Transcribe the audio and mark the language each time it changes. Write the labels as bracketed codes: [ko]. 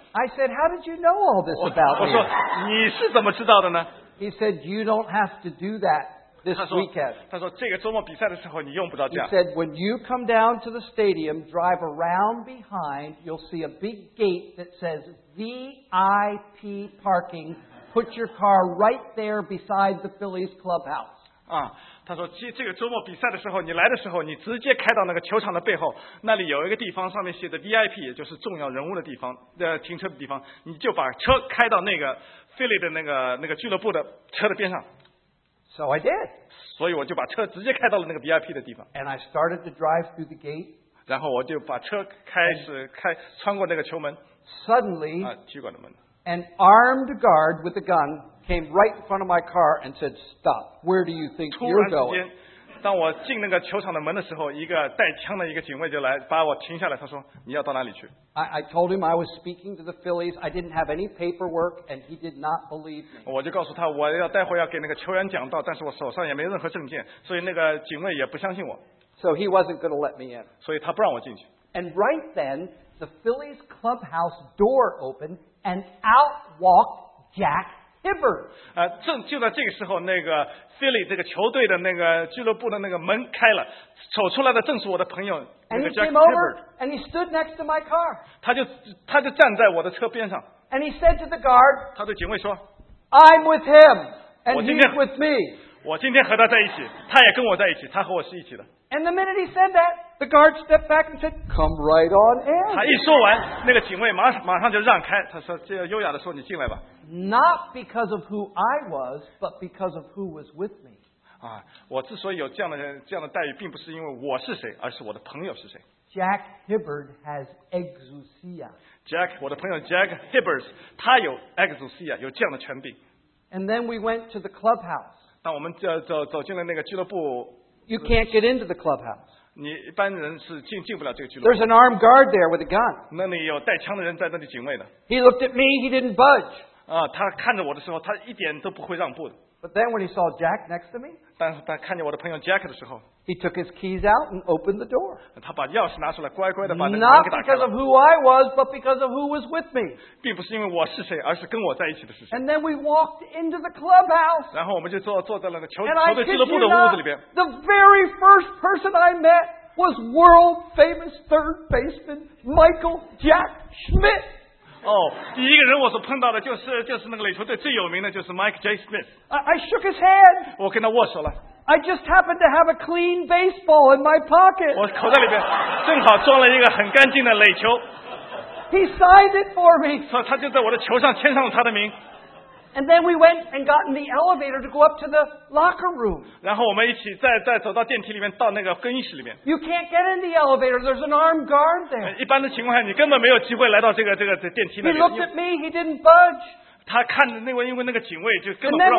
[en] I said, "How did you know all this about me?" [zh] 我说你是怎么知道的呢 [en] ？He said, "You don't have to do that." This weekend, [zh] 他说这个周末比赛的时候你用不到这样。 [en] He said, "When you come down to the stadium, drive around behind. You'll see a big gate that says VIP parking. Put your car right there beside the Phillies clubhouse." [zh] 他说这个周末比赛的时候，你来的时候，你直接开到那个球场的背后，那里有一个地方上面写的 VIP， 也就是重要人物的地方的停车的地方，你就把车开到那个 Philly 的那个俱乐部的车的边上。 [en] So I did. [zh] 所以我就把车直接开到了那个 VIP 的地方。 [en] And I started to drive through the gate. [zh] 然后我就把车开始穿过那个球门。 [en] Suddenly, [zh] 体育馆的门。 [en] An armed guard with a gun came right in front of my car and said, "Stop. Where do you think you're going?" [zh] 突然之间，当我进那个球场的门的时候，一个带枪的一个警卫就来把我停下来，他说：“你要到哪里去？” [en] I told him I was speaking to the Phillies. I didn't have any paperwork, and he did not believe me. [zh] 我就告诉他，我要待会要给那个球员讲道，但是我手上也没任何证件，所以那个警卫也不相信我。 [en] So he wasn't going to let me in. [zh] 所以他不让我进去。 [en] And right then, the Phillies clubhouse door opened, and out walked Jack Hibbert. [zh] 就在这个时候，那个 Philly 这个球队的那个俱乐部的那个门开了。走出来的正是我的朋友 [en] And he came over and he stood next to my car. [zh] 他就站在我的车边上。 [en] And he said to the guard, [zh] 他对警卫说 [en] I'm with him and he's with me. [zh] 我今天和他在一起，他也跟我在一起，他和我是一起的。 [en] And the minute he said that, the guard stepped back and said, "Come right on in." [zh] 他一说完，那个警卫马上就让开，他说这优雅的说你进来吧。 [en] Not because of who I was, but because of who was with me. [zh] 我之所以有这样的待遇，并不是因为我是谁，而是我的朋友是谁。 [en] Jack Hibbert has exousia. [zh] Jack， 我的朋友 Jack Hibbert， 他有 exousia， 有这样的权柄。 [en] And then we went to the clubhouse. [zh] 当我们走进了那个俱乐部 [en] ，You can't get into the clubhouse. [zh] 你一般人是进不了这个俱乐部。 [en] There's an armed guard there with a gun. [zh] 那里有带枪的人在那里警卫的。 [en] He looked at me. He didn't budge. [zh] 他看着我的时候，他一点都不会让步的。 [en] But then when he saw Jack next to me, [zh] 但是他看见我的朋友 Jack 的时候 [en] he took his keys out and opened the door. [zh] 他把钥匙拿出来，乖乖的把那个门给打开了。 [en] Not because of who I was, but because of who was with me. [zh] 并不是因为我是谁，而是跟我在一起的是谁。 [en] And then we walked into the clubhouse. [zh] 然后我们就坐在了球队俱乐部的屋子里边。 [en] The very first person I met was world famous third baseman Michael Jack Schmidt. [zh] 第一个人我所碰到的就是那个垒球队最有名的就是 Mike J. Smith。 [en] I shook his hand。 [zh] 我跟他握手了。 [en] I just happened to have a clean baseball in my pocket。 [zh] 我口袋里边正好装了一个很干净的垒球。 [en] He signed it for me. [zh] 他就在我的球上签上了他的名。 [en] And then we went and got in the elevator to go up to the locker room. [zh] 然后我们一起再走到电梯里面，到那个更衣室里面。 [en] You can't get in the elevator. There's an armed guard there. [zh] 一般的情况下，你根本没有机会来到这个电梯那里。 [en] He looked at me. He didn't budge. [zh] 他看着那位，因为那个警卫就根本不让